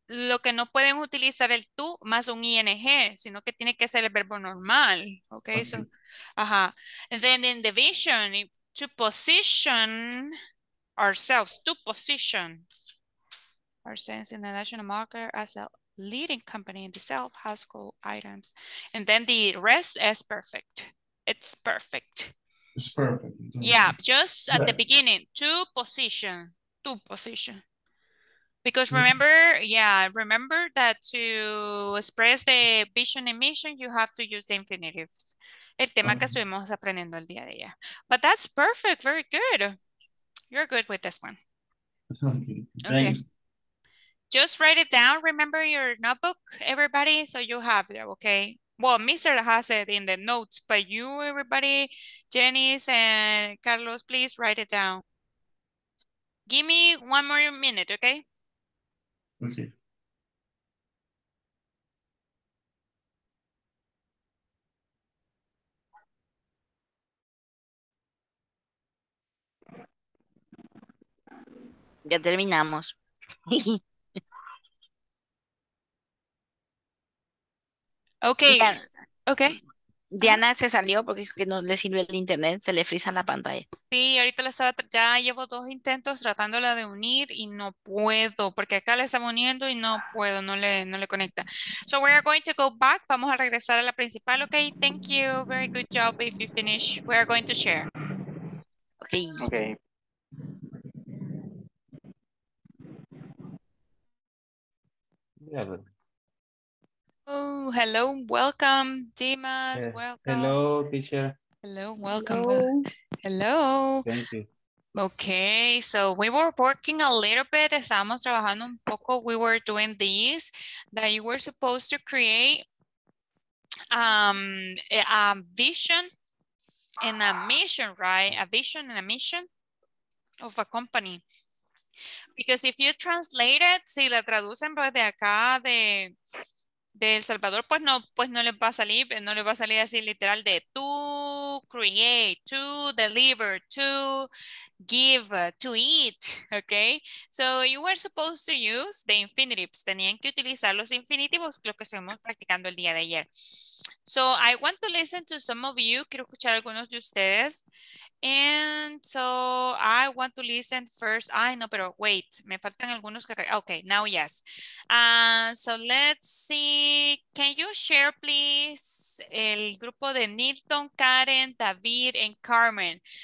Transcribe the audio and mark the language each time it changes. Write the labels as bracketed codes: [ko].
[es] lo que no pueden utilizar el tú más un ing, sino que tiene que ser el verbo normal. [en] Okay, so, ajá. And then in the vision, to position ourselves, to position ourselves in the national market as a leading company in the self-household items. And then the rest is perfect. It's perfect. It's perfect. It's yeah, awesome. Just at yeah. the beginning, to position, to position. Because remember, yeah, remember that to express the vision and mission, you have to use the infinitives. [es] El tema que estuvimos aprendiendo el día de ayer. [en] But that's perfect. Very good. You're good with this one. Okay. Thanks. Just write it down. Remember your notebook, everybody, so you have it, okay? Well, Mr. has it in the notes, but you, everybody, Janice and Carlos, please write it down. Give me one more minute, okay? [es] Okay. Ya terminamos. [en] Okay. Yes. Okay. [es] Diana se salió porque dijo que no le sirve el internet, se le frisa la pantalla. Sí, ahorita la estaba, ya llevo dos intentos tratándola de unir y no puedo, porque acá la estamos uniendo y no puedo, no le conecta. [en] So we are going to go back, [es] vamos a regresar a la principal, [en] okay? Thank you, very good job if you finish. We are going to share. Okay. Okay. Yeah. Oh, hello, welcome, Dimas, welcome. Hello, teacher. Hello, welcome. Hello. Thank you. Okay, so we were working a little bit, [es] estamos trabajando un poco, [en] we were doing these, that you were supposed to create a vision and a mission, right? A vision and a mission of a company. Because if you translate it, [es] si la traducen pues de acá, de El Salvador, pues no le va a salir, no le va a salir así literal de [en] to create, to deliver, to give, to eat, [es] okay? [en] So you were supposed to use the infinitives. [es] Tenían que utilizar los infinitivos, lo que estuvimos practicando el día de ayer. [en] So I want to listen to some of you. [es] Quiero escuchar a algunos de ustedes. [en] And so I want to listen first. [es] Ay, no, pero wait. Me faltan algunos. [en] Okay, now yes. So let's see. Can you share, please, [es] el grupo de [en] Nilton, Karen, David, and Carmen?